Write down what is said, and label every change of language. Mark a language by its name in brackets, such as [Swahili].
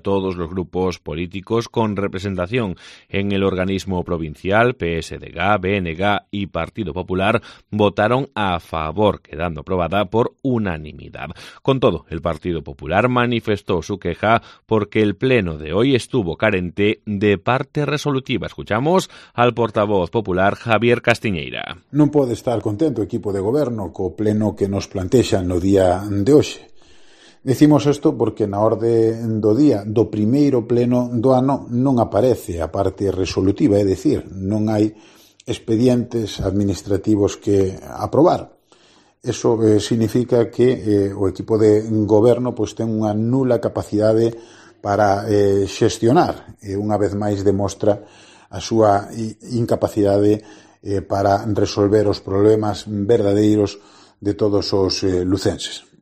[Spanish] Todos los grupos políticos con representación en el organismo provincial, PSDG, BNG y Partido Popular, votaron a favor, quedando aprobada por unanimidad. Con todo, el Partido Popular manifestó su queja porque el pleno de hoy estuvo carente de parte resolutiva. Escuchamos al portavoz popular Javier Castiñeira. [Galician] Non pode estar contento o equipo de goberno co pleno que nos plantexan no día de hoxe. Decimos isto porque na orde do día do primeiro pleno do ano non aparece a parte resolutiva, é dicir, non hai expedientes administrativos que aprobar. Eso significa que o equipo de goberno pues, ten unha nula capacidade para xestionar, e unha vez máis demostra a súa incapacidade para resolver os problemas verdadeiros de todos os lucenses.